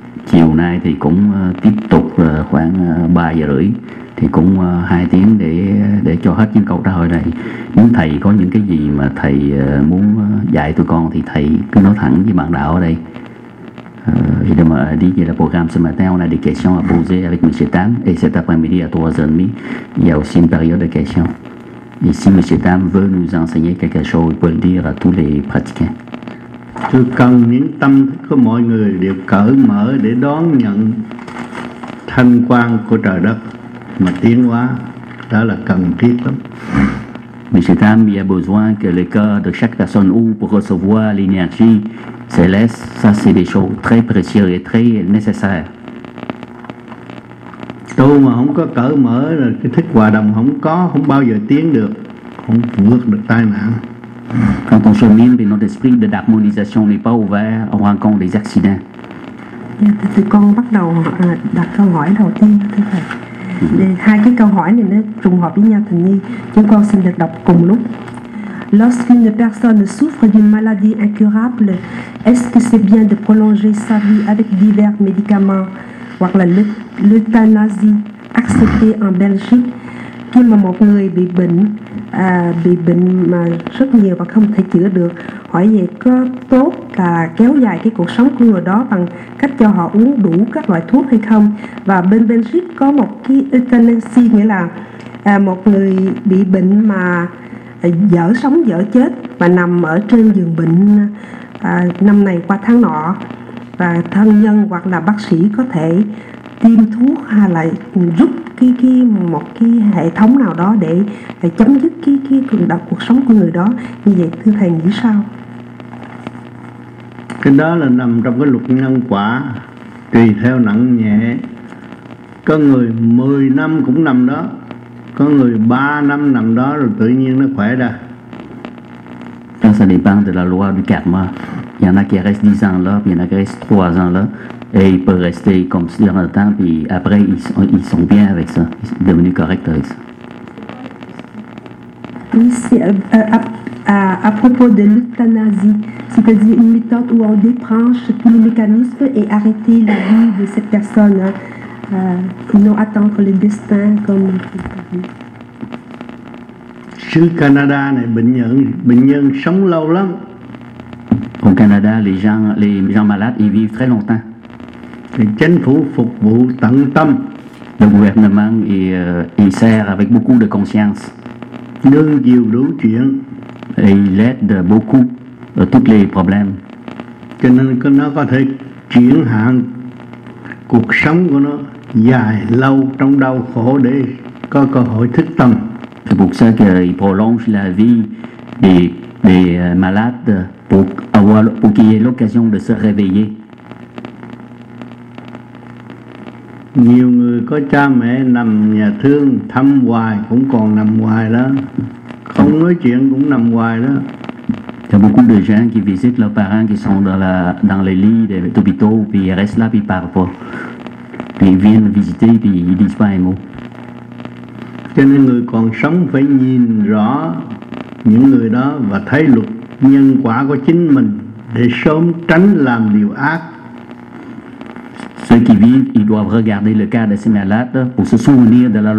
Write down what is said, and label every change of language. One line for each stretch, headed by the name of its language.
Vietnamese: Chiều nay thì cũng tiếp tục khoảng 3:30. Thì cũng 2 tiếng để cho hết những câu trả lời này. Nếu thầy có những cái gì mà thầy muốn dạy tụi con thì thầy cứ nói thẳng với bạn đạo ở đây. Vì mà đi về là
French: programme ce matin, on a des questions à poser avec M. Tam. Et cet après-midi à 3h30, il y a aussi une période de questions. Et si M. Tam veut nous enseigner quelque chose, il peut le dire à tous les pratiquants.
Vietnamese: Tôi cần những tâm thức của mọi người đều cởi mở để đón nhận thanh quang của trời đất. Mà tiến hóa đó là cần thiết lắm.
French: Monsieur Tam, il y a besoin que le corps de chaque personne ouvre pour recevoir l'énergie céleste. Ça, c'est des choses très précieuses et très nécessaires.
Vietnamese: Tu mà không có cởi mở là cái thức hòa đồng không có, không bao giờ tiến được, không vượt được tai nạn.
French: Quand on chemine, puis notre esprit de d'harmonisation n'est pas ouvert, on rencontre des accidents.
Vietnamese: Thì con bắt đầu đặt câu hỏi đầu tiên đó, thưa thầy. Hai cái câu hỏi này nó trùng hợp với nhau thành nhi, chúng con xin được đọc cùng lúc.
French: Lorsqu'une personne souffre d'une maladie incurable, est-ce que c'est bien de prolonger sa vie avec divers médicaments,
Vietnamese: hoặc là
French: l'euthanasie acceptée en Belgique?
Vietnamese: Khi mà một người bị bệnh mà rất nhiều và không thể chữa được, hỏi vậy có tốt là kéo dài cái cuộc sống của người đó bằng cách cho họ uống đủ các loại thuốc hay không? Và bên Belgium có một cái euthanasia, nghĩa là một người bị bệnh mà dở sống dở chết mà nằm ở trên giường bệnh năm này qua tháng nọ, và thân nhân hoặc là bác sĩ có thể tiêm thuốc hay là rút cái một cái hệ thống nào đó để chấm dứt cái cường độ cuộc sống của người đó. Như vậy thưa thầy nghĩ sao? Cái đó là nằm trong cái luật nhân quả, tùy theo nặng nhẹ. Có người 10 năm cũng nằm đó, có người 3 năm nằm đó rồi tự nhiên nó khỏe ra.
French: Ça dépend de la loi du karma. Il y en a qui restent 10 ans là, il y en a qui restent 3 ans là. Et ils peuvent rester comme durant le temps, puis après ils sont bien avec ça, ils sont devenus corrects avec ça. Oui, c'est à propos de l'euthanasie, c'est-à-dire une méthode où on débranche tous les mécanismes et arrêter la vie de cette personne, et non attendre le destin comme.
Vietnamese: Chứ Canada này bệnh nhân sống lâu lắm.
French: Au Canada, les gens malades, ils vivent très longtemps.
Vietnamese: Thì chính phủ phục vụ tận tâm.
French: Le gouvernement il sert avec beaucoup de conscience.
Vietnamese: Nương nhiều đủ chuyện.
French: Et il aide beaucoup à tous les problèmes.
Vietnamese: Cho nên nó có thể chuyển hạn cuộc sống của nó dài lâu trong đau khổ để có cơ hội thức tâm.
French: C'est pour ça qu'il prolonge la vie des malades pour qu'il y ait l'occasion de se réveiller.
Vietnamese: Nhiều người có cha mẹ nằm nhà thương thăm hoài cũng còn nằm hoài đó, không nói chuyện cũng nằm hoài đó.
French: Il y a beaucoup de gens qui visitent leurs parents qui sont dans les lits des hôpitaux puis ils restent là puis parfois puis ils viennent visiter puis ils disent pas un mot.
Vietnamese: Cho nên người còn sống phải nhìn rõ những người đó và thấy luật nhân quả của chính mình để sớm tránh làm điều ác.
French: Ceux qui vivent, ils doivent regarder le cas de ces malades pour se souvenir de la loi.